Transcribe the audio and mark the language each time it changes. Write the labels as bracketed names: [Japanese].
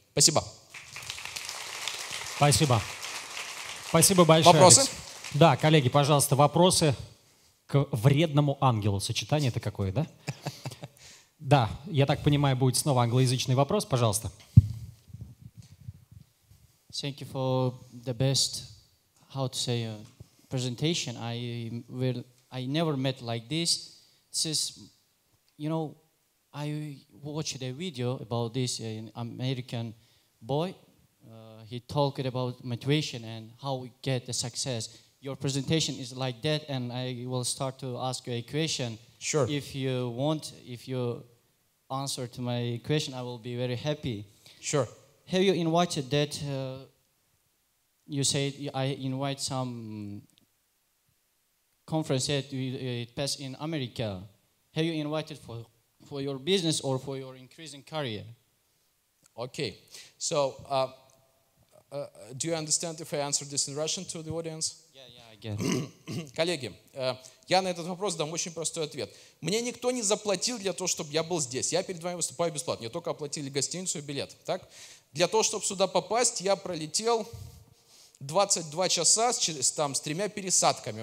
[Russian] Спасибо. Спасибо. Спасибо большое. Вопросы? Алекс. Да, коллеги, пожалуйста, вопросы к вредному ангелу. Сочетание это какое, да? Да, я так понимаю, будет снова англоязычный вопрос. Пожалуйста. [English] Thank you for the best, how to say, presentation. I never met like this. Since, you know, I watched a video about this American boy. He talked about motivation and how we get the success. Your presentation is like that, and I will start to ask you a question. Sure. If you want, if you answer to my question, I will be very happy. Sure. Have you invited that... you said I invite some conference that it passed in America. Have you invited for your business or for your increasing career? Okay. So, do you understand if I answer this in Russian to the audience? Yeah, I get it. [Russian] Коллеги, я на этот вопрос дам очень простой ответ. Мне никто не заплатил для того, чтобы я был здесь. Я перед вами выступаю бесплатно. Мне только оплатили гостиницу и билет. Так? Для того, чтобы сюда попасть, я пролетел 22 часа с тремя пересадками.